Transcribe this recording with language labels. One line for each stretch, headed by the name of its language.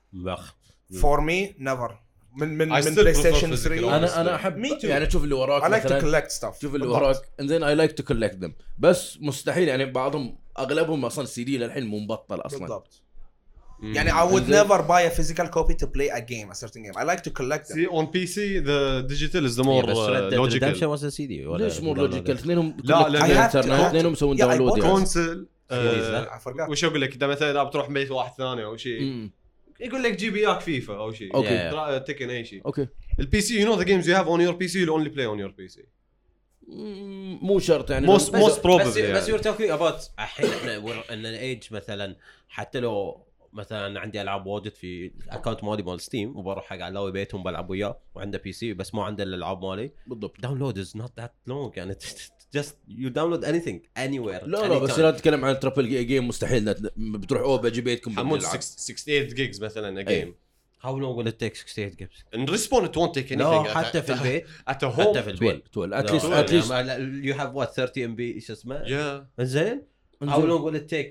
Arabic: بخ.
English: For me, never.
Arabic: من
English: PlayStation 3.
Arabic: أنا أحب. يعني شوف اللي وراك.
English: I like to collect stuff.
Arabic: شوف اللي وراك.
English: And then I like to collect them.
Arabic: بس مستحيل يعني بعضهم أغلبهم أصلاً CD للحين مو مبطل أصلاً.
English: يعني I would never buy a physical copy to play a game, a certain game. I like to collect them. See, on PC, the digital is the more logical. Redemption was a CD.
Arabic: ليش
English: more logical؟
Arabic: اثنينهم كلهم إنترنت، اثنينهم سوون داونلود. كونسل. وش أقول لك؟ إذا مثلاً أبى تروح بيت واحد ثاني أو شيء، يقول لك جيب ياك فيفا أو شيء.
English: Okay.
Arabic: تكن أي شيء.
English: Okay. The PC, you know the games you have on your PC, you'll only play on your PC.
Arabic: مو شرط يعني.
English: Most probably.
Arabic: بس
English: you're talking about
Arabic: الحين إحنا إن الأيج مثلاً حتى لو مثلاً عندي ألعاب واجد في أكاونت مالي مال ستيم وبروح حق علاوي بيتهم بلعب وياه وعنده بي سي بس مو عنده الألعاب مالي بالضبط
English: download is not that long يعني just you download anything anywhere
Arabic: لا anytime. بس لا تتكلم عن تربل جيم مستحيل بتروح أوه بجي بيتكم حمود 68 جيجز مثلاً
English: a game how long will it take 68 gigs in respawn it won't take anything no,
Arabic: حتى في البيت
English: at a home
Arabic: حتى في البيت
English: 12 at least at least you have what 30 MB
Arabic: إيش اسمه
English: yeah إنزين How long will it take?